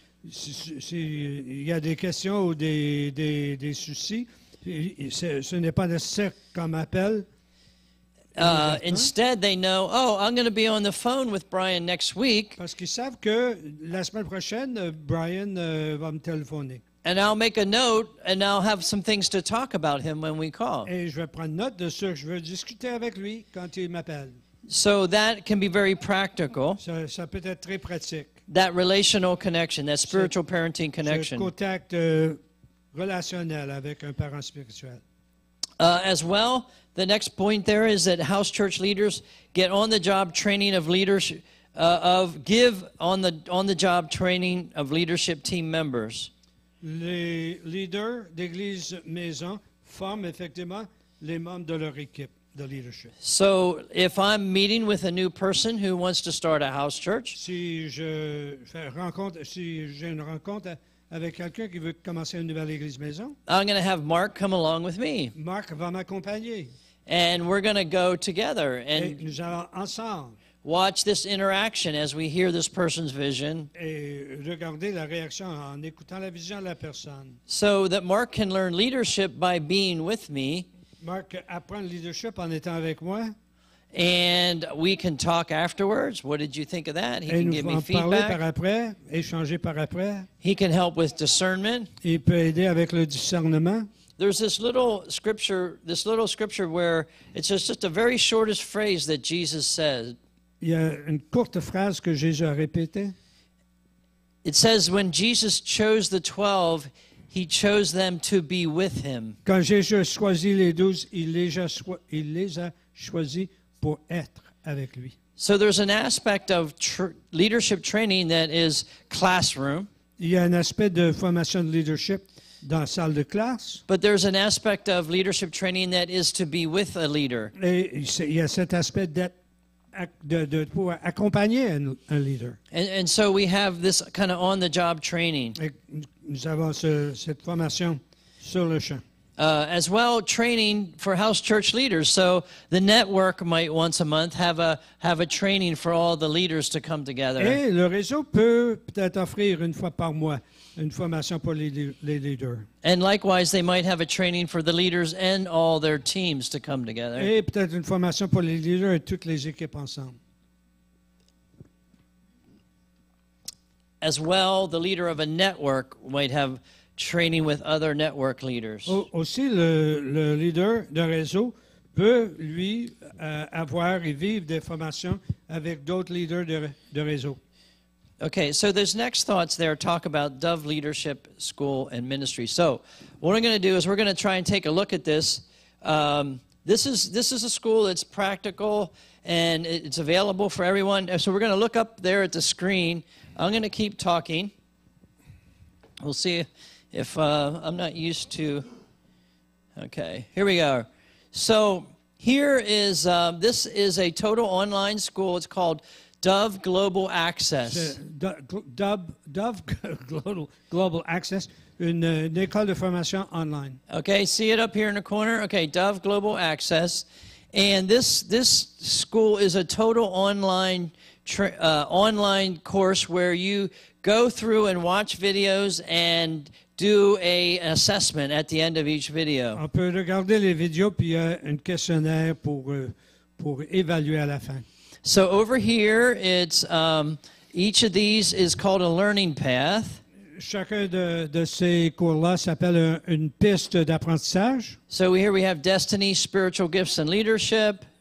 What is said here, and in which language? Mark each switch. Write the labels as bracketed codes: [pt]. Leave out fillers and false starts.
[fr] S'il y a des questions ou des soucis, ce n'est pas nécessaire comme appel. [en] Instead, they know, oh, I'm going to be on the phone with Brian next week. [fr] Parce qu'ils savent que la semaine prochaine, Brian va me téléphoner. [en] And I'll make a note, and I'll have some things to talk about him when we call. [fr] Et je vais prendre note de ce que je veux discuter avec lui quand il m'appelle. [en] So that can be very practical. [fr] Ça peut être très pratique. [en] That relational connection, that spiritual parenting connection. [fr] Ce contact relationnel avec un parent spirituel. [en] As well, the next point there is that house church leaders get on the job training of leadership, team members. [fr] Les leaders d'église maison forment effectivement les membres de leur équipe de leadership. [en] So if I'm meeting with a new person who wants to start a house church, [fr] si j'ai une rencontre avec quelqu'un qui veut commencer une nouvelle église maison, [en] I'm going to have Mark come along with me. [fr] Mark va m'accompagner. [en] And we're going to go together and [fr] nous allons ensemble [en] watch this interaction as we hear this person's vision. [fr] Et regarder la réaction en écoutant la vision de la personne. [en] So that Mark can learn leadership by being with me. [fr] Mark apprend leadership en étant avec moi. [en] And we can talk afterwards. What did you think of that? He can give me feedback. [fr] Parler par après, échanger par après. [en] He can help with discernment. [fr] Il peut aider avec le discernement. [en] There's this little scripture where it's just the very shortest phrase that Jesus said. [fr] Il y a une courte phrase que Jésus a répétée. [en] It says when Jesus chose the 12, he chose them to be with him. [fr] Quand Jésus a choisi les 12, il les a choisis pour être avec lui. [en] So there's an aspect of leadership training that is classroom. [fr] Il y a un aspect de formation de leadership dans la salle de classe. [en] But there's an aspect of leadership training that is to be with a leader. [fr] Et il y a cet aspect d'être de pouvoir accompagner un leader. [en] And so we have this kind of on-the-job training. [fr] Et nous avons cette formation sur le champ. [en] As well, training for house church leaders. So the network might once a month have a training for all the leaders to come together. [fr] Et le réseau peut peut-être offrir une fois par mois une formation pour les leaders. [en] And likewise, they might have a training for the leaders and all their teams to come together. [fr] Et peut-être une formation pour les leaders et toutes les équipes ensemble. [en] As well, the leader of a network might have training with other network leaders. [fr] Aussi, le leader de réseau peut, lui, avoir et vivre des formations avec d'autres leaders de réseau. [en] Okay, so those next thoughts there talk about Dove Leadership School and Ministry. So what I'm going to do is we're going to try and take a look at this. This is a school that's practical, and it's available for everyone. So we're going to look up there at the screen. I'm going to keep talking. We'll see if I'm not used to. Okay, here we are. So here is, this is a total online school. It's called Dove Global Access. [fr] Dove Global Access, une école de formation online. [en] Okay, see it up here in the corner? Okay, Dove Global Access. And this school is a total online course where you go through and watch videos and do an assessment at the end of each video. [fr] On peut regarder les vidéos, puis il y a un questionnaire pour évaluer à la fin. [en] So over here, it's each of these is called a learning path. [fr] Chacun de ces cours-là s'appelle une piste d'apprentissage. [en] So here we have Destiny, Spiritual Gifts and Leadership.